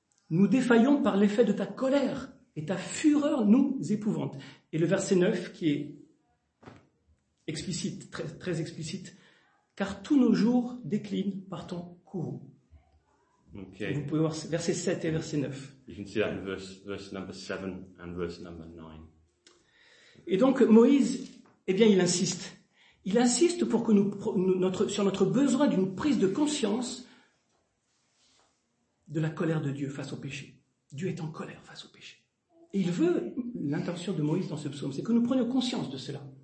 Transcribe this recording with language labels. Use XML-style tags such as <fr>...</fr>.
<fr>Nous défaillons par l'effet de ta colère et ta fureur nous épouvante. Et le verset 9 qui est explicite, très, très explicite. Car tous nos jours déclinent par ton courroux.</fr> <en>Okay.</en> <fr>Vous pouvez voir verset 7 et verset 9.</fr> <en>You can see that in verse number 7 and verse number 9.</en> <fr>Et donc Moïse, eh bien il insiste. Il insiste pour que sur notre besoin d'une prise de conscience de la colère de Dieu face au péché. Dieu est en colère face au péché. Et il veut, l'intention de Moïse dans ce psaume, c'est que nous prenions conscience de cela.</fr>